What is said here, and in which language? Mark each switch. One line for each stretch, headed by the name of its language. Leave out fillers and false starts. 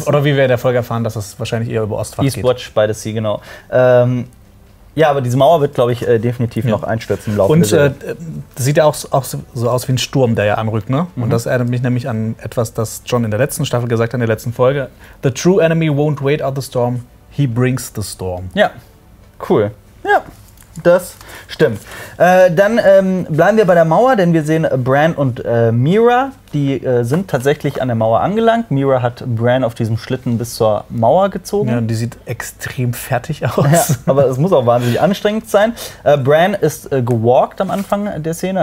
German: oder wie wir in der Folge erfahren, dass es wahrscheinlich eher über Ostfach Eastwatch, geht. Eastwatch, by the Sea, genau. Ja, aber diese Mauer wird, glaube ich, definitiv noch einstürzen im Laufe der Serie. Und sieht ja auch so aus wie ein Sturm, der ja anrückt, ne? Und das erinnert mich nämlich an etwas, das John in der letzten Staffel gesagt hat, in der letzten Folge.
English: The true enemy won't wait out the storm, he brings the storm.
German: Ja, cool. Ja. Das stimmt. Dann bleiben wir bei der Mauer, denn wir sehen Bran und Meera. Die sind tatsächlich an der Mauer angelangt. Meera hat Bran auf diesem Schlitten bis zur Mauer gezogen. Ja, und die sieht extrem fertig aus. Ja, aber es muss auch wahnsinnig anstrengend sein. Bran ist gewalkt am Anfang der Szene.